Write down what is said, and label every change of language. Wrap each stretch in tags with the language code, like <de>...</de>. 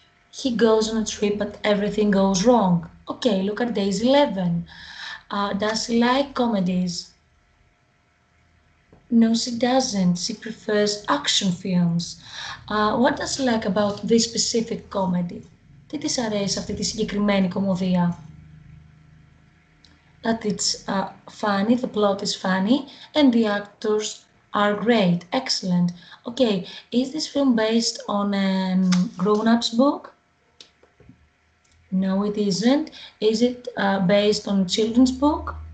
<en>He goes on a trip, but everything goes wrong. Okay, look at Daisy Levin. Does she like comedies? No, she doesn't. She prefers action films. What does she like about this specific comedy?</en> <el>Τι της αρέσει αυτή τη συγκεκριμένη κωμωδία?</el> <en>That it's funny, the plot is funny, and the actors are great, excellent. Okay, is this film based on a grown-ups book? No, it isn't. Is it based on a children's book?</en>